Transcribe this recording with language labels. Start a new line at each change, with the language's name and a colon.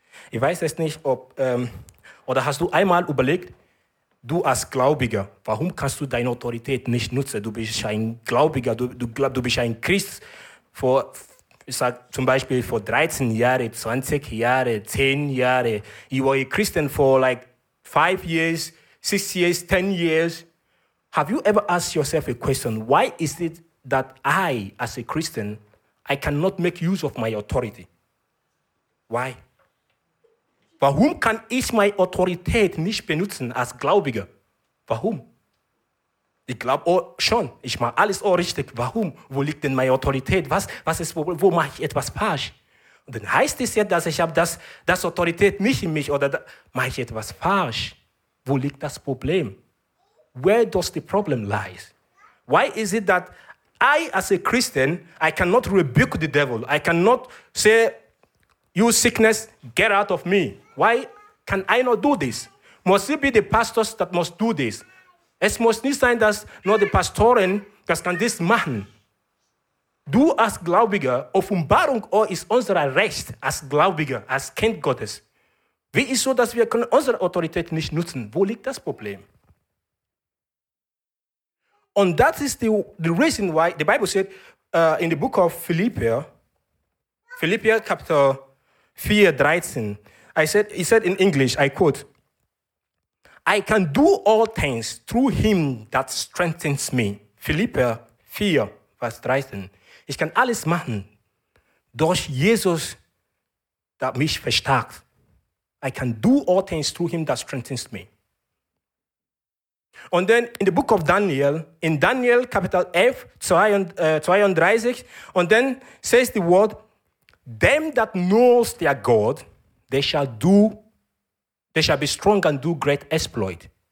German: Ich weiß es nicht, ob oder hast du einmal überlegt, du als Gläubiger, warum kannst du deine Autorität nicht nutzen? Du bist ein Gläubiger, du bist ein Christ vor, ich sag zum Beispiel vor 13 Jahren, 20 Jahren, 10 Jahren.
English: You were a Christian for like 5 years, 6 years, 10 years. Have you ever asked yourself a question? Why is it that I, as a Christian, I cannot make use of my authority? Why?
German: Warum kann ich meine Autorität nicht benutzen als Gläubiger? Warum? Ich glaube schon, ich mache alles auch richtig. Warum? Wo liegt denn meine Autorität? Wo mache ich etwas falsch? Und dann heißt es ja, dass ich habe das Autorität nicht in mich oder mache ich etwas falsch? Wo liegt das Problem?
English: Where does the problem lies? Why is it that I, as a Christian, I cannot rebuke the devil? I cannot say, you sickness, get out of me. Why can I not do this? Must it be the pastors that must do this?
German: Es muss nicht sein, dass nur die Pastoren das kann das machen. Du als Gläubiger, Offenbarung ist unser Recht als Gläubiger, als Kind Gottes. Wie ist es so, dass wir unsere Autorität nicht nutzen? Wo liegt das Problem? Und das ist
English: the reason why the Bible said in the book of Philippians chapter 4, 13, he said in English, I quote, I can do all things through him that strengthens me. Philippians 4, verse 13.
German: Ich kann alles machen durch Jesus, der mich verstärkt.
English: I can do all things through him that strengthens me.
German: Und dann
English: in the book of Daniel, in Daniel,
German: Kapitel 11, 32, und dann
English: says the word, them that knows their God, they shall be strong and do great exploit.